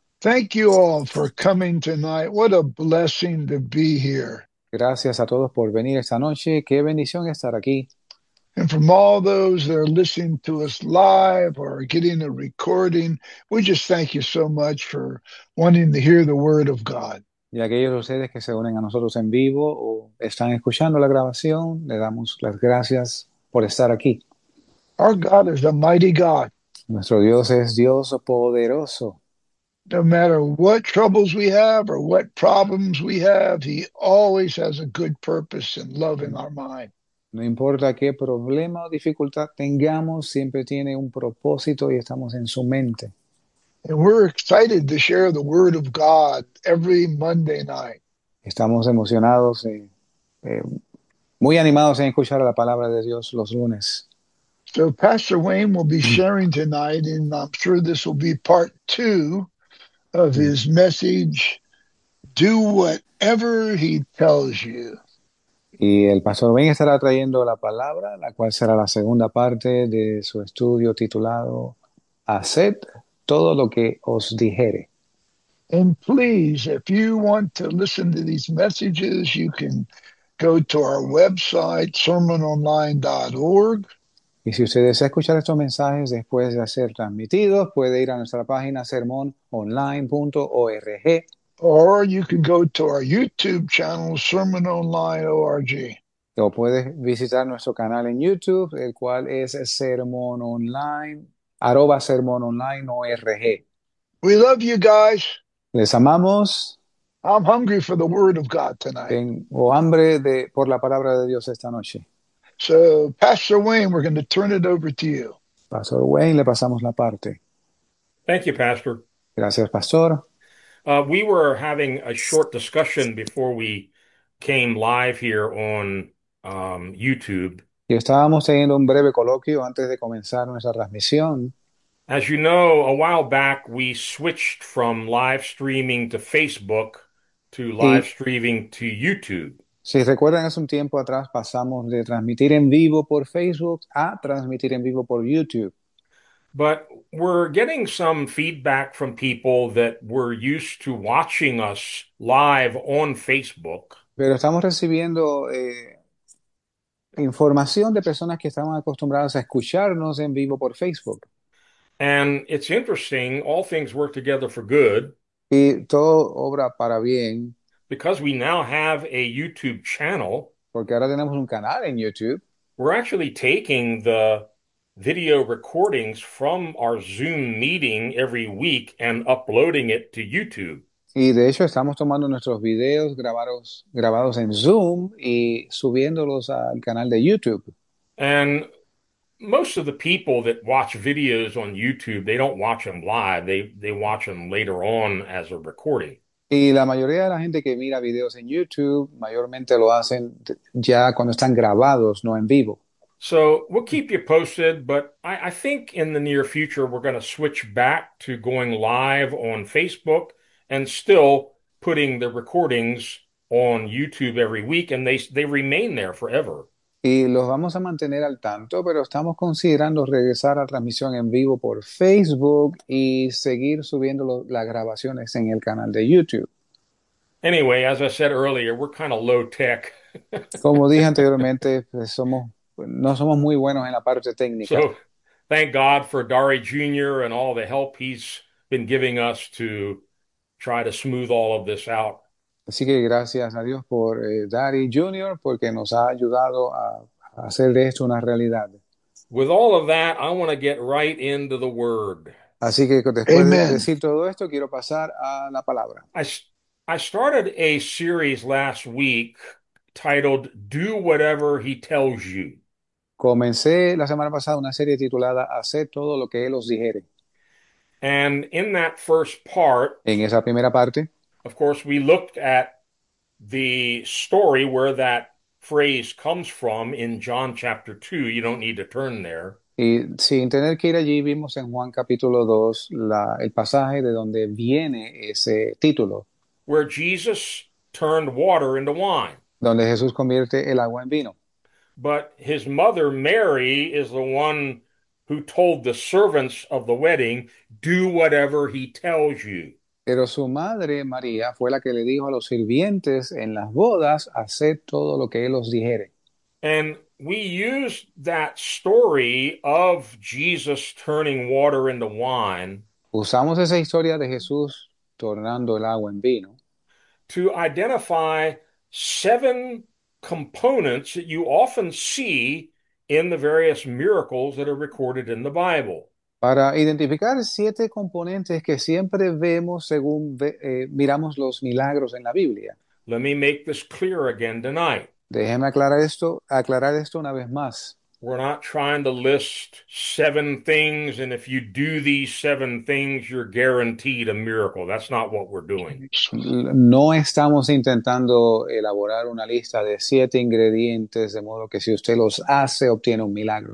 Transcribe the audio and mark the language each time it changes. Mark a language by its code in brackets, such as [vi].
[en] Thank you all for coming tonight. What a blessing to be here. [es] Gracias a todos por venir esta noche. Qué bendición estar aquí. [en] And from all those that are listening to us live or getting a recording, we just thank you so much for wanting to hear the Word of God. [es] Y aquellos de ustedes que se unen a nosotros en vivo o están escuchando la grabación, le damos las gracias por estar aquí. [en] Our God is a mighty God. [es] Nuestro Dios es Dios poderoso. [en] No matter what troubles we have or what problems we have, He always has a good purpose and love in our mind. [es] No importa qué problema o dificultad tengamos, siempre tiene un propósito y estamos en su mente. [en] And we're excited to share the Word of God every Monday night. [es] Estamos emocionados y muy animados en escuchar la palabra de Dios los lunes. [en] So Pastor Wayne will be sharing tonight, and I'm sure this will be part two of his message, Do Whatever He Tells You. [es] Y el pastor Wayne estará trayendo la palabra, la cual será la segunda parte de su estudio titulado Haced todo lo que os dijere. [en] And please, if you want to listen to these messages, you can go to our website, sermononline.org. [es] Y si usted desea escuchar estos mensajes después de ser transmitidos, puede ir a nuestra página sermononline.org. [en] Or you can go to our YouTube channel, sermononline.org. [es] O puede visitar nuestro canal en YouTube, el cual es Sermon Online, arroba sermononline.org. [en] We love you guys. [es] Les amamos. [en] I'm hungry for the Word of God tonight. [es] Tengo hambre por la palabra de Dios esta noche. [en] So, Pastor Wayne, we're going to turn it over to you. [es] Pastor Wayne, le pasamos la parte. [en] Thank you, Pastor. [es] Gracias, Pastor. [en] We were having a short discussion before we came live here on YouTube. [es] Y estábamos teniendo un breve coloquio antes de comenzar nuestra transmisión. [en] As you know, a while back, we switched from live streaming to Facebook to live streaming to YouTube. [es] Si recuerdan, hace un tiempo atrás pasamos de transmitir en vivo por Facebook a transmitir en vivo por YouTube. [en] But we're getting some feedback from people that were used to watching us live on Facebook. [es] Pero estamos recibiendo información de personas que estaban acostumbradas a escucharnos en vivo por Facebook. [en] And it's interesting, all things work together for good. [es] Y todo obra para bien. [en] Because we now have a YouTube channel, [es] porque ahora tenemos un canal en YouTube. [en] We're actually taking the video recordings from our Zoom meeting every week and uploading it to YouTube. [es] Y de hecho estamos tomando nuestros videos grabados en Zoom y subiéndolos al canal de YouTube. [en] And most of the people that watch videos on YouTube, they don't watch them live. They watch them later on as a recording. [es] Y la mayoría de la gente que mira videos en YouTube mayormente lo hacen ya cuando están grabados, no en vivo. [en] So we'll keep you posted, but I think in the near future we're going to switch back to going live on Facebook and still putting the recordings on YouTube every week, and they remain there forever. [es] Y los vamos a mantener al tanto, pero estamos considerando regresar a transmisión en vivo por Facebook y seguir subiendo las grabaciones en el canal de YouTube. [en] Anyway, as I said earlier, we're kind of low tech. [es] Como dije anteriormente, pues no somos muy buenos en la parte técnica. [en] So, thank God for Dari Jr. and all the help he's been giving us to try to smooth all of this out. [es] Así que gracias a Dios por Dari Jr. porque nos ha ayudado a hacer de esto una realidad. [en] With all of that, I want to get right into the Word. [es] Así que después Amen. De decir todo esto, quiero pasar a la palabra. [en] I started a series last week titled Do Whatever He Tells You. [es] Comencé la semana pasada una serie titulada Haced todo lo que Él os dijere. [en] And in that first part, [es] en esa primera parte, [en] of course, we looked at the story where that phrase comes from in John chapter 2. You don't need to turn there. [es] Y sin tener que ir allí, vimos en Juan capítulo 2 el pasaje de donde viene ese título. [en] Where Jesus turned water into wine. [es] Donde Jesús convierte el agua en vino. [en] But his mother, Mary, is the one who told the servants of the wedding, do whatever he tells you. [es] Pero su madre, María, fue la que le dijo a los sirvientes en las bodas, haced todo lo que él os dijere. [en] And we use that story of Jesus turning water into wine [es] Usamos esa historia de Jesús tornando el agua en vino. [en] to identify seven components that you often see in the various miracles that are recorded in the Bible. [es] Para identificar siete componentes que siempre vemos según miramos los milagros en la Biblia. [en] Let me make this clear again tonight. [es] Déjeme aclarar esto una vez más. [en] We're not trying to list seven things, and if you do these seven things, you're guaranteed a miracle. That's not what we're doing. [es] No estamos intentando elaborar una lista de siete ingredientes, de modo que si usted los hace, obtiene un milagro.